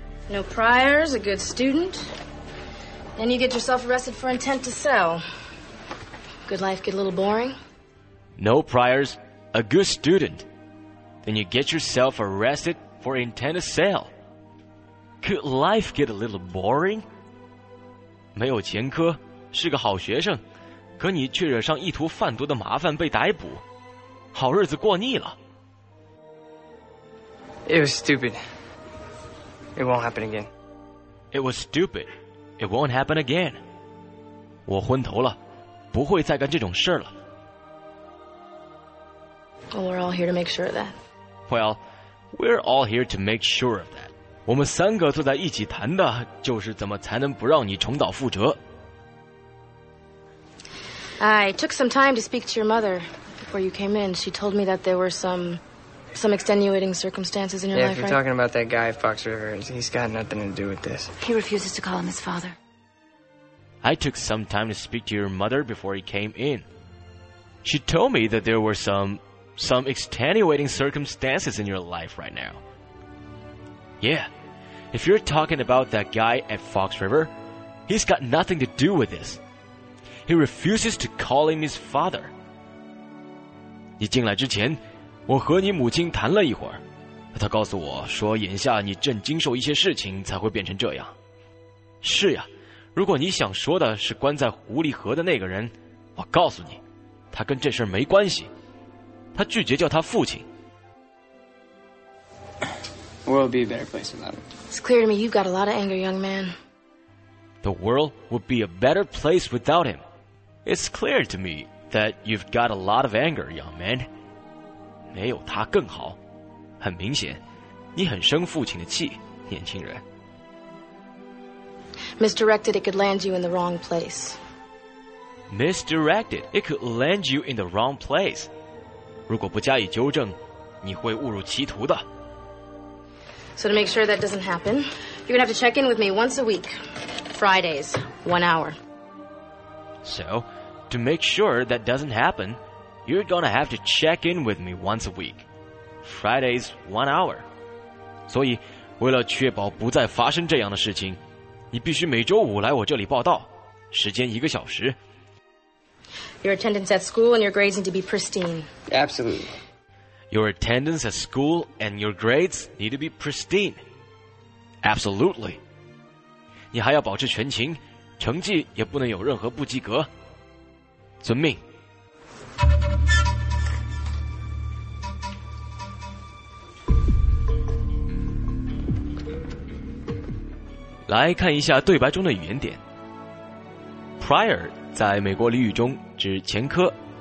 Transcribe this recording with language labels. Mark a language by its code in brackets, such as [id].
[en] No priors, a good student. Then you get yourself arrested for intent to sell. Good life get a little boring? No priors, a good student. Then you get yourself arrested for intent to sell. Good life get a little boring? [zh] 没有前科，是个好学生，可你却惹上意图贩毒的麻烦被逮捕，好日子过腻了。 [en] It was stupid. It won't happen again. It was stupid. It won't happen again. [zh] 我昏头了，不会再干这种事了。 [en] Well, we're all here to make sure of that. Well, we're all here to make sure of that. [zh] 我们三个坐在一起谈的就是怎么才能不让你重蹈覆辙。 [en] I took some time to speak to your mother before you came in. She told me that there were some extenuating circumstances in your life, Yeah, if you're talking about that guy at Fox River, he's got nothing to do with this. He refuses to call him his father. I took some time to speak to your mother before he came in. She told me that there were some extenuating circumstances in your life right now. Yeah, if you're talking about that guy at Fox River, he's got nothing to do with this. He refuses to call him his father. [zh] 你进来之前我和你母亲谈了一会儿，她告诉我说眼下你正经受一些事情才会变成这样。是呀，如果你想说的是关在狐狸河的那个人，我告诉你，他跟这事没关系。他拒绝叫他父亲。 [en] The world would be a better place without him. It's clear to me you've got a lot of anger, young man. The world would be a better place without him. It's clear to me that you've got a lot of anger, young man. [zh] 没有他更好，很明显，你很生父亲的气，年轻人。 [en] Misdirected, it could land you in the wrong place. Misdirected, it could land you in the wrong place. [zh] 如果不加以纠正，你会误入歧途的。 [en] So to make sure that doesn't happen, you're gonna have to check in with me once a week, Fridays, 1 hour. So, to make sure that doesn't happen. You're gonna have to check in with me once a week. Fridays, 1 hour. [zh] 所以，为了确保不再发生这样的事情，你必须每周五来我这里报到，时间一个小时。 [en] Your attendance at school and your grades need to be pristine. Absolutely. Your attendance at school and your grades need to be pristine. Absolutely. [zh] 你还要保持全勤，成绩也不能有任何不及格。遵命。来看一下对白中的语言点。Prior 在美国俚语中指前科。